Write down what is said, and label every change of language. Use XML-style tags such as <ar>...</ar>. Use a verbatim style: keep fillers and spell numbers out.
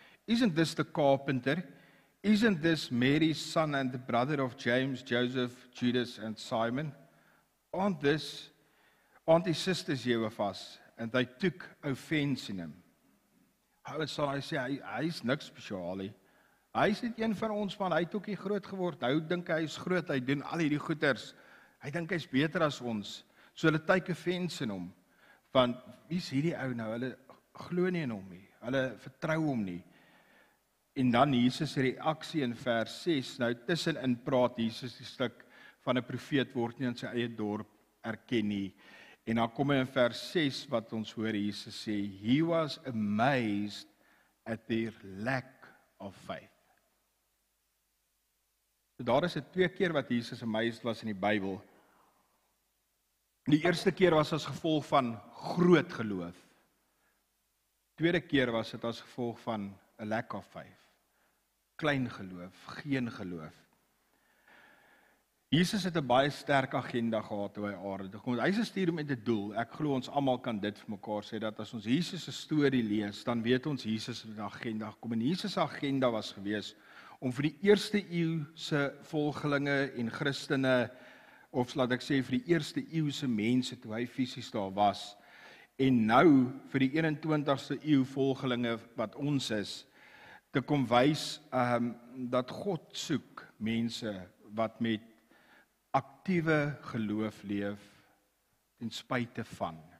<en>Isn't this the carpenter? Isn't this Mary's son and the brother of James, Joseph, Judas and Simon? Aren't this, aren't his sisters here with us? And they took offense in him.</en> <af>Hulle sal hy sê, hy, hy is niks spesiaal nie. Hy is net een van ons, man, hy het ook nie groot geword. Hy dink hy is groot, hy doen al hierdie goeters. Hy dink hy is beter as ons. So hulle</af> <en>take offense</en> <af>in hom. Want wie is hierdie ou nou? Hulle glo nie in hom nie, hulle vertrou hom nie. En dan Jesus reaksie in vers ses, nou tussenin praat Jesus die stuk van 'n profeet word nie in sy eie dorp erken nie. En dan kom hy in vers ses wat ons hoor Jesus sê,</af> <en>he was amazed at their lack of faith.</en> <af>So daar is dit twee keer wat Jesus amazed was in die Bybel. Die eerste keer was as gevolg van groot geloof. Tweede keer was dit as gevolg van 'n</af> <en>lack of faith.</en> <af>Klein geloof, geen geloof. Jesus het 'n baie sterk agenda gehad toe hy aarde toe gekom het. Hy is gestuur met 'n doel. Ek glo ons almal kan dit vir mekaar sê dat as ons Jesus se storie lees, dan weet ons Jesus het 'n agenda gekom. En Jesus se agenda was gewees om vir die eerste eeu se volgelinge en Christene, of laat ek sê vir die eerste eeu se mense toe hy fisies daar was, en nou vir die eenentwintigste eeu volgelinge wat ons is, te kom wys um, dat God soek mense wat met aktiewe geloof leef ten spyte van.</af>